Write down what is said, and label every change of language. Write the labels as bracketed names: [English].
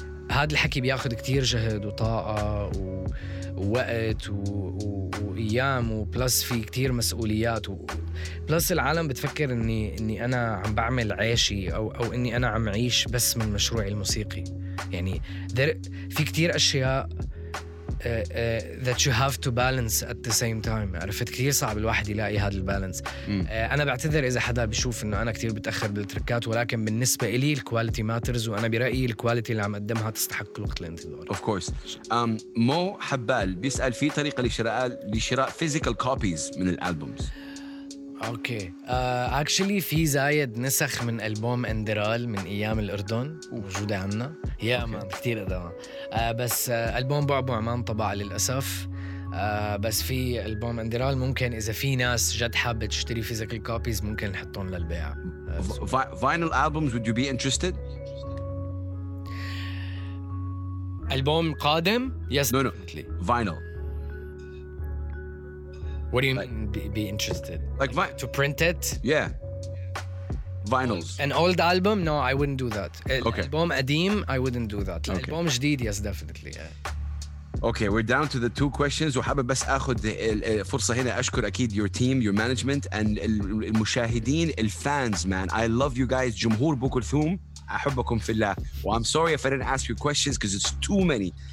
[Arabic] هذا الحكي بياخد كتير جهد وطاقة ووقت وأيام, وبلس في كتير مسؤوليات, وبلس العالم بتفكر إني أنا عم بعمل عيشي أو إني أنا عم عيش بس من مشروعي الموسيقي. يعني في كتير أشياء [English] that you have to balance at the same time. [Arabic] عرفت, كتير صعب الواحد يلاقي هذا البالانس. أنا بعتذر إذا حدا بيشوف إنه أنا كتير بتأخر بالتركات, ولكن بالنسبة إلي الكواليتي ماترز, وأنا برأيي الكواليتي اللي عم أقدمها تستحق الوقت الانتظار. [English] Of course. [Arabic] مو حبال بيسأل في طريقة لشراء physical copies من الألبومز. أوكي. Actually في زايد نسخ من ألبوم اندرال من أيام الأردن موجودة عنا. يا مان كتير إذا بس ألبوم بعبو عمان طبع للأسف. بس في ألبوم اندرال ممكن إذا في ناس جد حابة تشتري فيزيكال كوبيز ممكن نحطهم للبيع. [English] Vinyl albums, would you be interested? [Arabic] ألبوم قادم؟ [English] Yes. No, definitely. Vinyl. What do you mean, be interested? Like to print it? Yeah. Vinyls. An old album? No, I wouldn't do that. Okay. Album [Arabic] قديم, [English] I wouldn't do that. Okay. Album [Arabic] جديد, [English] yes, definitely. Yeah. Okay, we're down to the 2 questions. [Arabic] وحابب بس أخذ الفرصة هنا أشكر أكيد [English] your team, your management, and [Arabic] المشاهدين, الفانز, man. [English] I love you guys. [Arabic] جمهور بو كلثوم, أحبكم في الله. [English] Well, I'm sorry if I didn't ask you questions because it's too many.